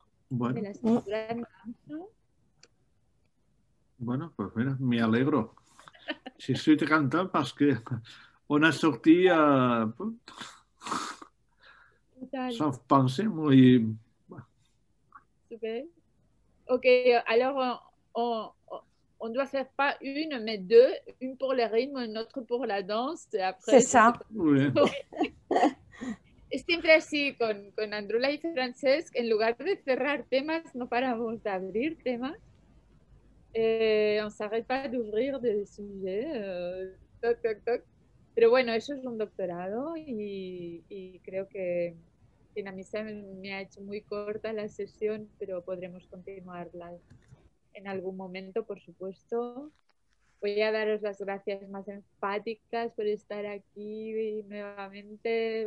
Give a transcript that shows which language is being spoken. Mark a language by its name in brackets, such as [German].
[Spanish] Bueno. De la escritura en danza. Bueno, pues mira, me alegro. Si soy de cantar, pues que una sortida [French] sans pensée, [Spanish] muy... [French] Super. Ok, alors on doit faire pas une, mais deux, une pour le rythme, une autre pour la danse, et après... C'est ça. Oui. [Spanish] Es siempre así con Andrula y Francesc, en lugar de cerrar temas, no paramos de abrir temas. [French] On ne s'arrête pas d'ouvrir des sujets, toc, toc, toc. [Spanish] Pero bueno, eso es un doctorado y creo que a mí se me ha hecho muy corta la sesión, pero podremos continuarla en algún momento, por supuesto. Voy a daros las gracias más enfáticas por estar aquí nuevamente.